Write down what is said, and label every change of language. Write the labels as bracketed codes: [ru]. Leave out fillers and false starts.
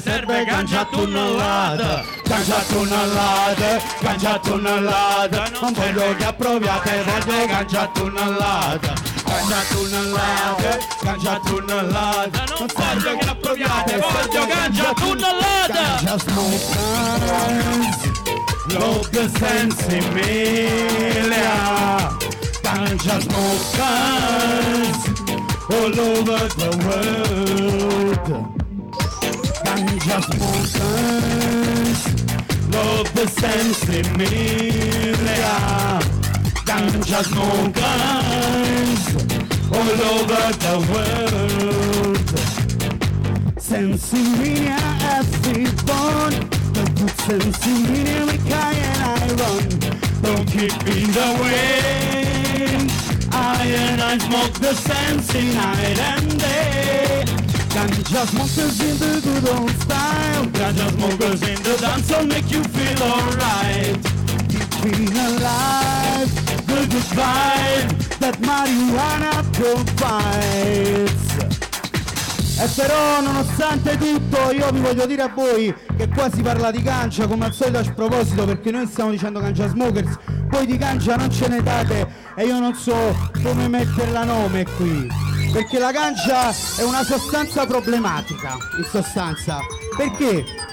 [it] serve ganja tunnellata. Ganja tunnellata, ganja tunnellata, non voglio che approviate, voglio ganja tunnellata. Ganja tunnellata, ganja tunnellata, non voglio che approviate, voglio ganja tunnellata. [en] Ganja smokers, look the sense in me. Ganja smokers, all over the world. Ganja smokers, love the sense in me. Ganja smokers, all over the world. Sense in me, I have born. The good sense in me, like I and I run. Don't keep me in the way. I and I smoke the sense in night and day. Ganja smokers in the good old style. Ganja smokers in the dance will make you feel alright. Keep being alive, the good vibe that marijuana provides. [it] E però nonostante tutto io vi voglio dire a voi che qua si parla di gancia come al solito a sproposito, perché noi stiamo dicendo ganja smokers, voi di gancia non ce ne date e io non so come metterla nome qui. Perché la ganja è una sostanza problematica, in sostanza. Perché?